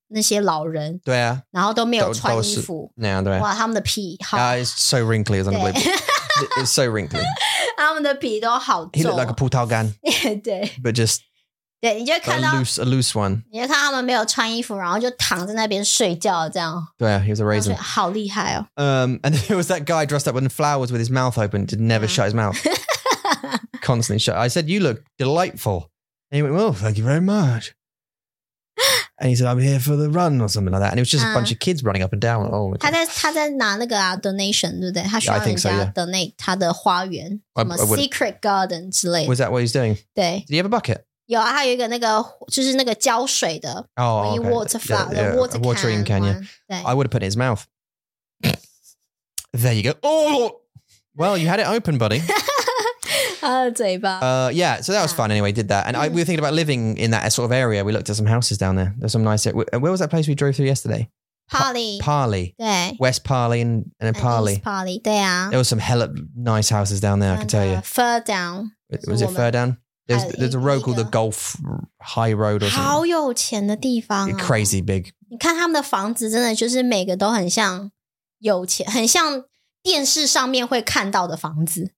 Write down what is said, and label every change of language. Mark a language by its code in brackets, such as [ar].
[zh] 那些老人，对啊，然后都没有穿衣服，那样对。哇，他们的皮好，it's [en] so wrinkly as unbelievable. It's so wrinkly. [zh] 他们的皮都好皱。He [en] looked like a [zh] 葡萄干。对。 [en] But just [zh] 对，你就看到 [en] a loose one. [zh] 你就看他们没有穿衣服，然后就躺在那边睡觉这样。对啊，he [en] was a raisin. [zh] 好厉害哦。 [en] And there was that guy dressed up with flowers with his mouth open, did never shut his mouth. Constantly shut. I said, "You look delightful." And he went, "Well, thank you very much." And he said, "I'm here for the run" or something like that. And it was just a bunch of kids running up and down. Oh, okay. [zh] 他在拿那个啊, donation, 对不对?他需要人家 donate 他的花园, secret garden 之类的。 [en] Was that what he's doing? [zh] 对。 [en] Did he have a bucket? [zh] 有啊,他有一个那个, 就是那个浇水的, [en] oh, okay. Water flat, yeah, yeah, watering can, yeah. [zh] 对。 [en] I would have put it in his mouth. There you go. Oh! Well, you had it open, buddy. [zh] 他的嘴巴 [en] yeah, so that was fun anyway, did that. And we were thinking about living in that sort of area. We looked at some houses down there. There's some nice... Where was that place we drove through yesterday? Parley. [zh] 对.West Parley and Parley. East Parley, 对啊. [en] There was some hella nice houses down there, I can tell you. Ferdown. Was it Ferdown? There's a road called the Gulf High Road or something. [zh] 好有钱的地方啊。 [en] Crazy big. [zh] 你看他们的房子真的就是每个都很像有钱, 很像电视上面会看到的房子。